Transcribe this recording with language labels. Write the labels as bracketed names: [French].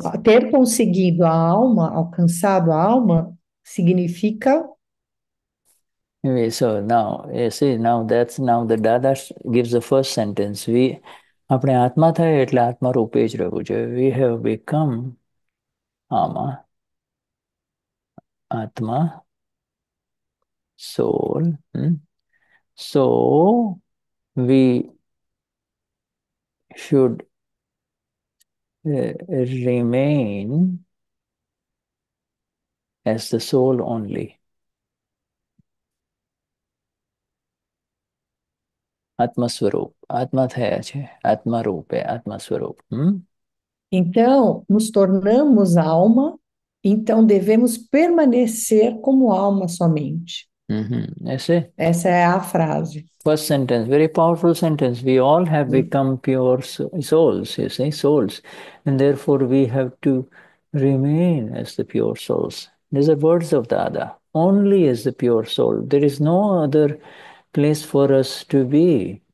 [Portuguese] Então, ter conseguido a alma, alcançado a alma, significa. [English] So now, you see, now that's now the Dada gives the first sentence. [Gujarati] We apne atma tha etle atma rupe j ravu jo. [English] We have become ama, atma, soul. So we should remain as the soul only. [Gujarati] Atmaswarup, Atma Thaya Che, Atma Rupe, Atmaswarup. [Portuguese] Então, nos tornamos alma, então devemos permanecer como alma somente. Esse Essa é a frase. [English] first sentence, very powerful sentence. We all have become pure souls, you see, souls. And therefore we have to remain as the pure souls. These are words of Dada. Only as the pure soul. There is no other place for us to be.